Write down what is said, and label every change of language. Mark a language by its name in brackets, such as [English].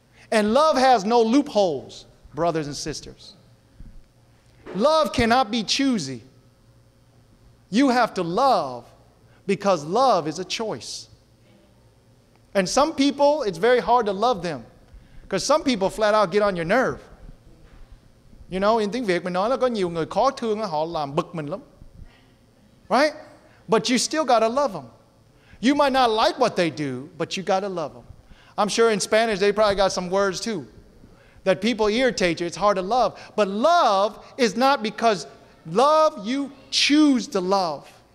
[English] And love has no loopholes, brothers and sisters. Love cannot be choosy. You have to love because love is a choice. And some people, it's very hard to love them because some people flat out get on your nerve. You know, in [Vietnamese] tiếng Việt, mình nói là có nhiều người khó thương, họ làm bực mình lắm. [English] Right? But you still got to love them. You might not like what they do, but you got to love them. I'm sure in Spanish, they probably got some words too that people irritate you. It's hard to love. But love is not because love, you choose to love.